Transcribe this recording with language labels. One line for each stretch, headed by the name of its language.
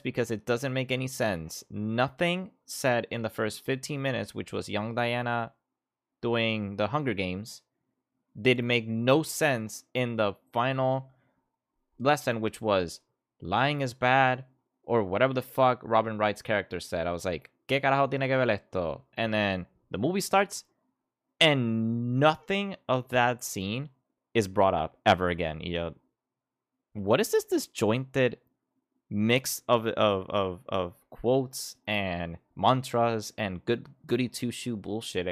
English: Because it doesn't make any sense. Nothing said in the first 15 minutes, which was young Diana doing the Hunger Games, did make no sense in the final lesson, which was lying is bad. Or whatever the fuck Robin Wright's character said. I was like,
Spanish: ¿qué carajo tiene que ver esto?
English: And then the movie starts, and nothing of that scene is brought up ever again. You know, what is this disjointed mix of quotes and mantras and goody two-shoe bullshit?